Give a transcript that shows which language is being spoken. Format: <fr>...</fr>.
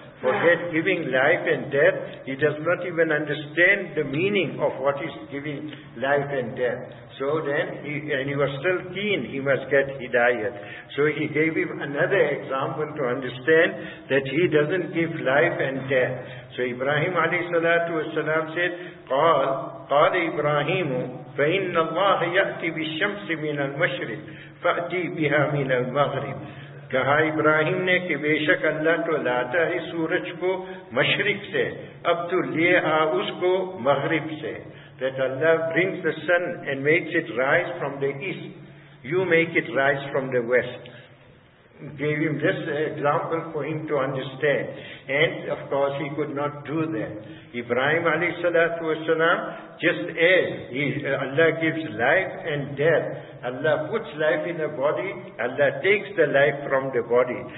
<en>For that giving life and death, he does not even understand the meaning of what is giving life and death. So then, he was still keen, he must get hidayat. So he gave him another example to understand that he doesn't give life and death. So Ibrahim alayhi salatu wasalam said,</en> <ar>قال إبراهيم فإن الله يأتي بالشمس من المشرق فأتي بها من المغرب.</ar> <ur>کہا ابراہیم نے کہ بے شک اللہ تو لاتا ہے سورج کو مشرق سے, اب تو لے آ اس کو مغرب سے.</ur> <en>That Allah brings the sun and makes it rise from the east. You make it rise from the west. Gave him this example for him to understand. And of course he could not do that. Ibrahim alayhi salatu wasalam, just as Allah gives life and death, Allah puts life in a body, Allah takes the life from the body.</en>